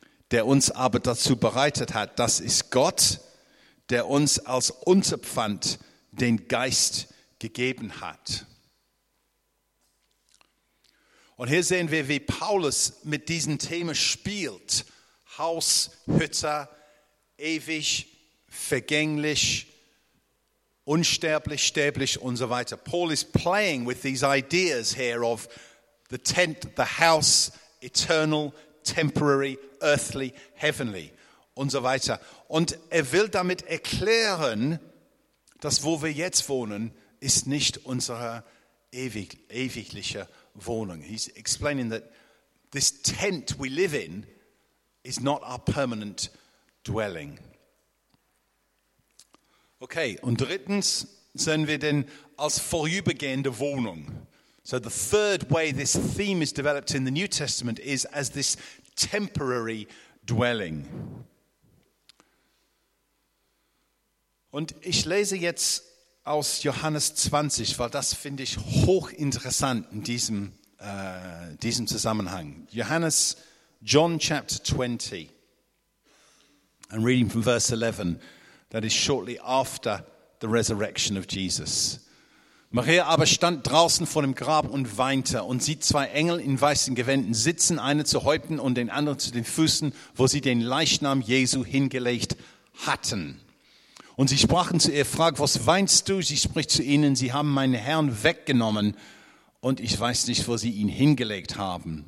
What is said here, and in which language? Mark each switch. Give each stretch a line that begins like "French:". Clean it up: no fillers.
German: Der uns aber dazu bereitet hat, das ist Gott, der uns als Unterpfand den Geist gegeben hat. Und hier sehen wir, wie Paulus mit diesem Thema spielt. Haus, Hütte, ewig, vergänglich, unsterblich, sterblich und so weiter.
English: Paul is playing with these ideas here of the tent, the house, eternal, temporary, earthly, heavenly
German: und so weiter. Und er will damit erklären, dass wo wir jetzt wohnen, ist nicht unsere ewigliche Wohnung.
English: He's explaining that this tent we live in is not our permanent dwelling.
German: Okay, und drittens sehen wir den als vorübergehende Wohnung.
English: So the third way this theme is developed in the New Testament is as this temporary dwelling.
German: Und ich lese jetzt aus Johannes 20, weil das finde ich hochinteressant in diesem Zusammenhang.
English: Johannes, John chapter 20, I'm reading from verse 11, that is shortly after the resurrection of Jesus.
German: Maria aber stand draußen vor dem Grab und weinte und sieht zwei Engel in weißen Gewändern sitzen, eine zu Häupten und den anderen zu den Füßen, wo sie den Leichnam Jesu hingelegt hatten. Und sie sprachen zu ihr, frag, was weinst du? Sie spricht zu ihnen, sie haben meinen Herrn weggenommen und ich weiß nicht, wo sie ihn hingelegt haben.